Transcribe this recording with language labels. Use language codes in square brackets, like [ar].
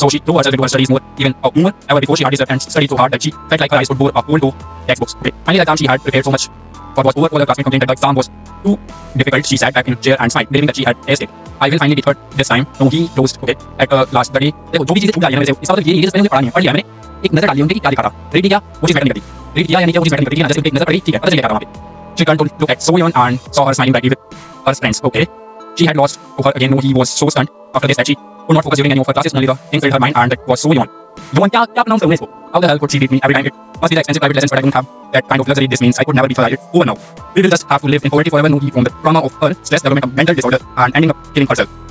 [en] So she threw herself into her studies more, even more ever before. She had deserved and studied so hard that she felt like her eyes would bore a hole to textbooks. Okay. Finally, the exam she had prepared so much for was over. All her classmates complained that the exam was too difficult. She sat back in chair and smiled, believing that she had aced it. I will finally beat her this time. No, he closed. Okay. At last, the day. [hi] देखो जो भी चीजें छूट जाएंगी ना मेरे से, इस बात को ये नहीं पढ़ा नहीं, पढ़ लिया मैंने, एक नजर डाली उनके क्या दिखा था, रीड किया वो चीज बैठने लगी, रीड किया यानी क्या वो चीज बैठने लगी, ठीक है, जैसे एक नजर पड़ी, ठीक है, पता चल गया वहाँ पे. [en] She turned to look at Soyeon and saw her smiling brightly with her friends. Okay. She had lost to her again. No, he was so stunned after this that she could not focus during any of her classes. Only the thing filled her mind, and it was so yawn. Yawn, [hi] kya kya pronounce unhe isko? [en] How the hell could she beat me every time? It must be the expensive private lessons, but I don't have that kind of luxury. This means I could never be her idol. Over now. We will just have to live in poverty forever. No, he from the trauma of her stress, development of mental disorder, and ending up killing herself.